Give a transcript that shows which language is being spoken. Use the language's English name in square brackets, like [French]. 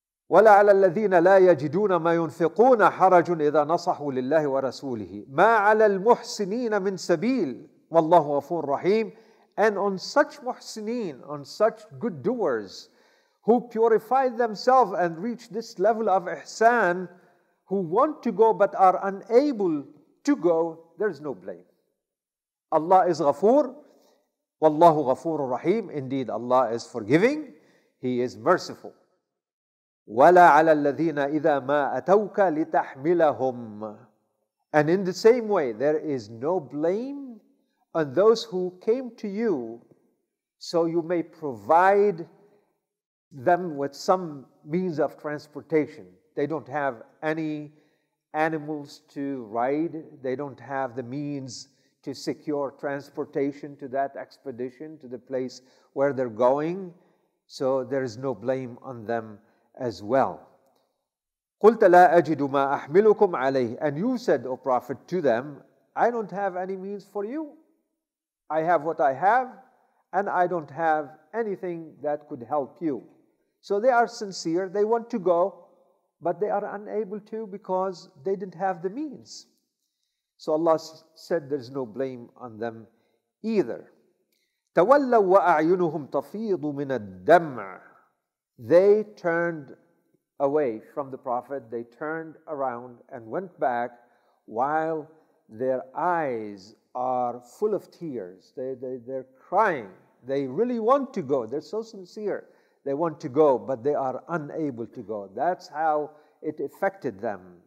[Arabic] وَلَا عَلَى الَّذِينَ لَا يَجِدُونَ مَا يُنْفِقُونَ حَرَجٌ إِذَا نَصَحُوا لِلَّهِ وَرَسُولِهِ مَا عَلَى الْمُحْسِنِينَ مِنْ سَبِيلٍ وَاللَّهُ غَفُورٌ رَحِيمٌ. [English] And on such muhsineen, on such good doers, who purify themselves and reach this level of ihsan, who want to go but are unable to go, there is no blame. Allah is [Arabic] غفور, وَاللَّهُ غَفُورٌ رَحِيمٌ. [English] Indeed, Allah is forgiving, He is merciful. [Arabic] وَلَا عَلَى الَّذِينَ إِذَا مَا أَتَوْكَ لِتَحْمِلَهُمْ. [English] And in the same way, there is no blame on those who came to you so you may provide them with some means of transportation. They don't have any animals to ride. They don't have the means to secure transportation to that expedition, to the place where they're going. So there is no blame on them as well. [Arabic] قلت لا أجد ما أحملكم عليه. [English] And you said, O Prophet, to them, I don't have any means for you. I have what I have, and I don't have anything that could help you. So they are sincere, they want to go, but they are unable to because they didn't have the means. So Allah said there's no blame on them either. [Arabic] تولوا وأعينهم تفيض من الدمع. [English] They turned away from the Prophet. They turned around and went back while their eyes are full of tears. They're crying. They really want to go. They're so sincere. They want to go, but they are unable to go. That's how it affected them.